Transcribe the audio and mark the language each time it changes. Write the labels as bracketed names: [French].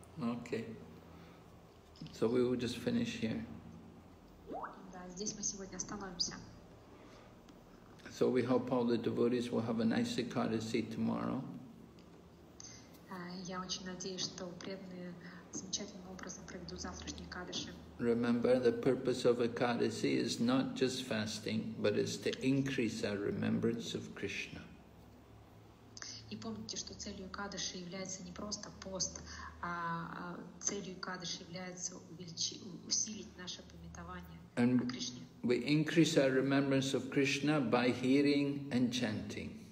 [English] Okay. So we will just finish here. [Russian] Да, здесь мы сегодня остановимся. [English] So we hope all the devotees will have a nice Ekadasi tomorrow. [Russian] Я очень надеюсь, что преданные замечательным образом проведут завтрашний Экадаши. [English] Remember, the purpose of Ekadasi is not just fasting, but it's to increase our remembrance of Krishna. [Russian] И помните, что целью Экадаши является не просто пост, а целью Экадаши является усилить наше памятование о Кришне. [English] We increase our remembrance of Krishna by hearing and chanting.